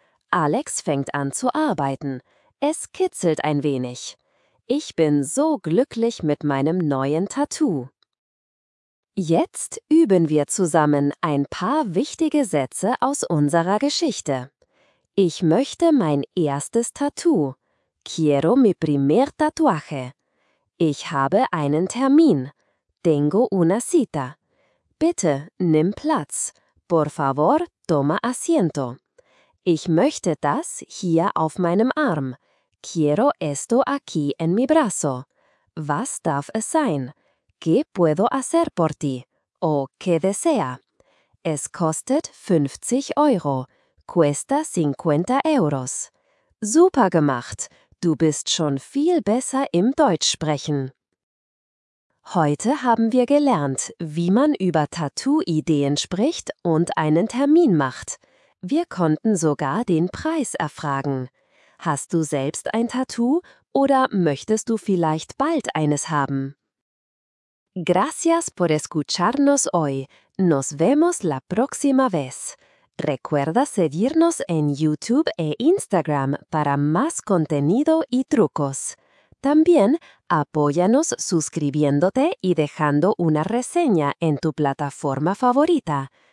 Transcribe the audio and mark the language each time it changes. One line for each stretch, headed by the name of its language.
German: Alex fängt an zu arbeiten. Es kitzelt ein wenig. Ich bin so glücklich mit meinem neuen Tattoo. Jetzt üben wir zusammen ein paar wichtige Sätze aus unserer Geschichte. Ich möchte mein erstes Tattoo.
Spanish: Quiero mi primer tatuaje.
German: Ich habe einen Termin.
Spanish: Tengo una cita.
German: Bitte, nimm Platz.
Spanish: Por favor, toma asiento.
German: Ich möchte das hier auf meinem Arm.
Spanish: Quiero esto aquí en mi brazo.
German: Was darf es sein?
Spanish: ¿Qué puedo hacer por ti? O qué desea?
German: Es kostet 50 Euro.
Spanish: Cuesta 50 euros.
German: Super gemacht! Du bist schon viel besser im Deutsch sprechen. Heute haben wir gelernt, wie man über Tattoo-Ideen spricht und einen Termin macht. Wir konnten sogar den Preis erfragen. Hast du selbst ein Tattoo oder möchtest du vielleicht bald eines haben?
Spanish: Gracias por escucharnos hoy. Nos vemos la próxima vez. Recuerda seguirnos en YouTube e Instagram para más contenido y trucos. También, apóyanos suscribiéndote y dejando una reseña en tu plataforma favorita.